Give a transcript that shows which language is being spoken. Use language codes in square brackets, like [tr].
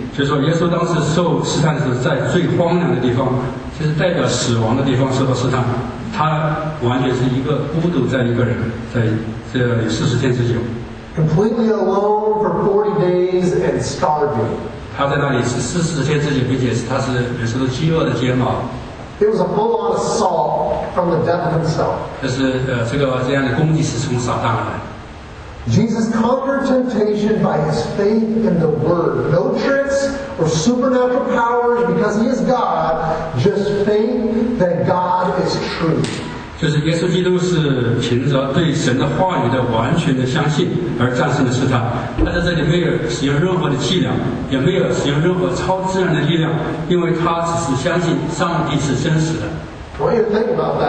[zh] 就是说耶稣当时受试探是在最荒凉的地方，就是代表死亡的地方受到试探。他完全是一个孤独在一个人，在这里40天之久。 [en] Completely alone for 40 days and starving. [zh] 他在那里是40天之久，并且他是有时候饥饿的煎熬。 [en] It was a full-on assault from the devil himself. [zh] 这样的攻击是从撒旦而来。 [en] Jesus conquered temptation by his faith in the Word. No tricks or supernatural powers, because he is God. Just faith that God is true. [zh] 就是耶稣基督是凭着对神的话语的完全的相信而战胜的试探。他在这里没有使用任何的伎俩，也没有使用任何超自然的力量，因为他只是相信上帝是真实的。